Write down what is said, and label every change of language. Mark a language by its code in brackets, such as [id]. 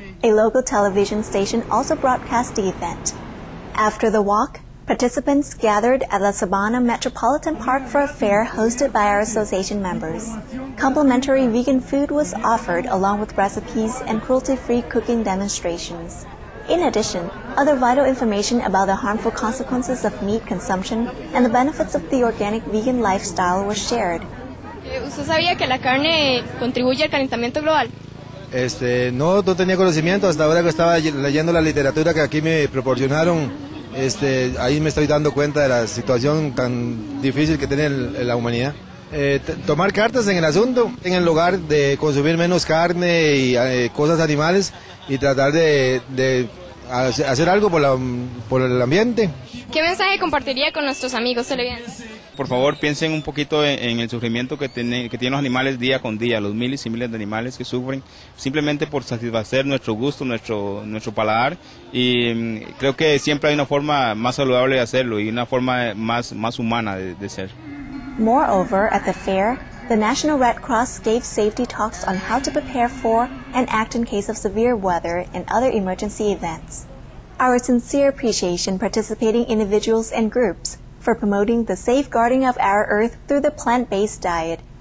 [en] A local television station also broadcast the event. After the walk, participants gathered at the Sabana Metropolitan Park for a fair hosted by our association members. Complimentary vegan food was offered along with recipes and cruelty-free cooking demonstrations. In addition, other vital information about the harmful consequences of meat consumption and the benefits of the organic vegan lifestyle was shared. [es] ¿Usted sabía que la carne contribuye al calentamiento global? No tenía conocimiento hasta ahora que estaba leyendo la literatura que aquí me proporcionaron. Ahí me estoy dando cuenta de la situación tan difícil que tiene la humanidad. Tomar cartas en el asunto, en el lugar de consumir menos carne y cosas animales y tratar de hacer algo por el ambiente. ¿Qué mensaje compartiría con nuestros amigos televidentes? Por favor, piensen un poquito en el sufrimiento que tienen los animales día con día, los miles y miles de animales que sufren simplemente por satisfacer nuestro gusto, nuestro paladar. Y creo que siempre hay una forma más saludable de hacerlo y una forma más humana de ser. [en] Moreover, at the fair, the National Red Cross gave safety talks on how to prepare for and act in case of severe weather and other emergency events. Our sincere appreciation participating individuals and groups for promoting the safeguarding of our earth through the plant-based diet.